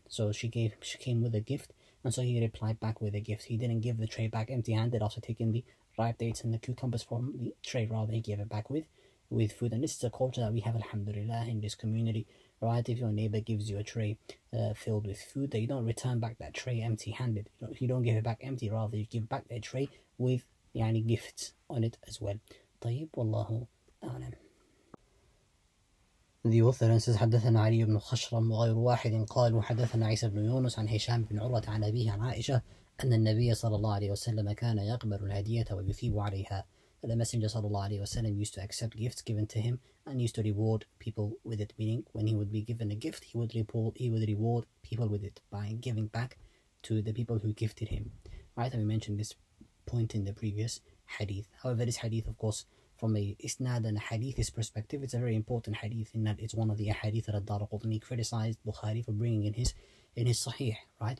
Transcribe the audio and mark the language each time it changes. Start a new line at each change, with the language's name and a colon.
English: So she came with a gift, and so he replied back with a gift. He didn't give the tray back empty-handed after taking the ripe dates and the cucumbers from the tray, rather he gave it back with food. And this is a culture that we have, alhamdulillah, in this community, right? If your neighbor gives you a tray filled with food, that you don't return back that tray empty-handed, you don't give it back empty, rather you give back their tray with yani gifts on it as well.
Arabic: طيب, wallahu a'lam.
English: The author says,
Arabic: حدثنا علي بن خشرم وغير واحد قال حدثنا عيسى بن يونس عن هشام بن عروة عن أبيه عن عائشة أن النبي صلى الله عليه وسلم كان يقبل الهدية ويثيب عليها.
English: The Messenger sallallahu alayhi wasallam used to accept gifts given to him and used to reward people with it, meaning when he would be given a gift, he would reward people with it by giving back to the people who gifted him. Right, and we mentioned this point in the previous hadith. However, this hadith, of course, from a isnad and a hadithist perspective, it's a very important hadith in that it's one of the hadith that Ad-Darqutni criticized Bukhari for bringing in his sahih, right?